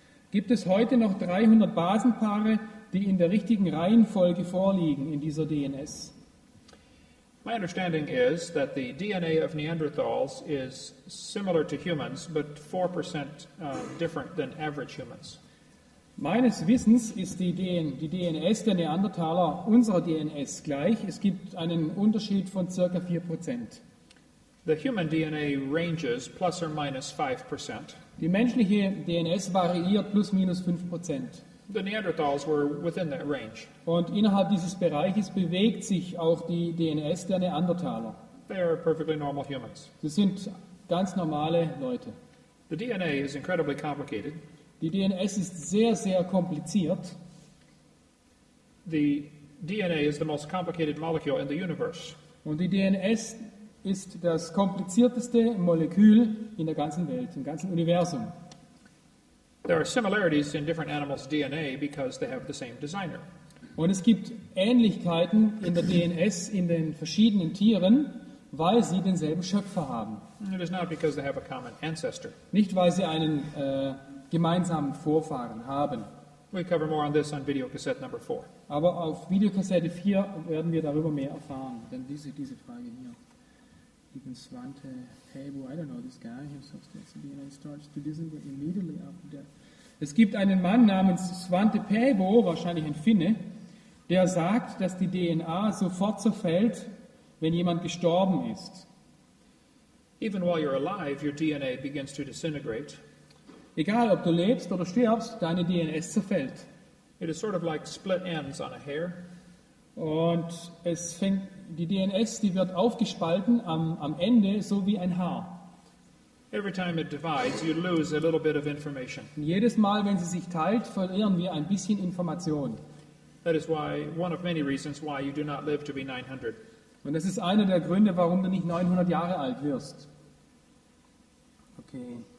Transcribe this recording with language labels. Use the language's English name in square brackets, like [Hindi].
[German] Gibt es heute noch 300 Basenpaare, die in der richtigen Reihenfolge vorliegen in dieser DNS? [English] My understanding is that the DNA of Neanderthals is similar to humans, but 4% different than average humans. [German] Meines Wissens ist die DNS der Neandertaler unserer DNS gleich. Es gibt einen Unterschied von ca. 4%. [English] The human DNA ranges plus or minus 5%. [German] Die menschliche DNS variiert plus minus 5%. [English] The Neanderthals were within that range. [German] Und innerhalb dieses Bereiches bewegt sich auch die DNS der Neandertaler. [English] They are perfectly normal humans. [German] Sie sind ganz normale Leute. [English] The DNA is incredibly complicated. [German] Die DNS ist sehr, sehr kompliziert. [English] The DNA is the most complicated molecule in the universe. [German] Und die DNS ist das komplizierteste Molekül in der ganzen Welt, im ganzen Universum. [English] There are similarities in different animals' DNA because they have the same designer. [German] Und es gibt Ähnlichkeiten in der DNS in den verschiedenen Tieren, weil sie denselben Schöpfer haben. [English] It is not because they have a common ancestor. [German] Nicht, weil sie einen gemeinsamen Vorfahren haben. [English] We cover more on this on videocassette number 4. [German] Aber auf Videokassette 4 werden wir darüber mehr erfahren, denn diese Frage hier. [English] Even Svante Pabo, I don't know this guy, he suspects the DNA starts to disintegrate immediately after death. [German] Es gibt einen Mann namens Svante Pabo, wahrscheinlich ein Finne, der sagt, dass die DNA sofort zerfällt, wenn jemand gestorben ist. [English] Even while you're alive, your DNA begins to disintegrate. [German] Egal, ob du lebst oder stirbst, deine DNS zerfällt. [English] It is sort of like split ends on a hair. [German] Und es fängt, die DNS, die wird aufgespalten am Ende, so wie ein Haar. [English] Every time it divides, you lose a little bit of information. [German] Und jedes Mal, wenn sie sich teilt, verlieren wir ein bisschen Information. [English] That is why, one of many reasons why you do not live to be 900. [German] Und das ist einer der Gründe, warum du nicht 900 Jahre alt wirst. Okay.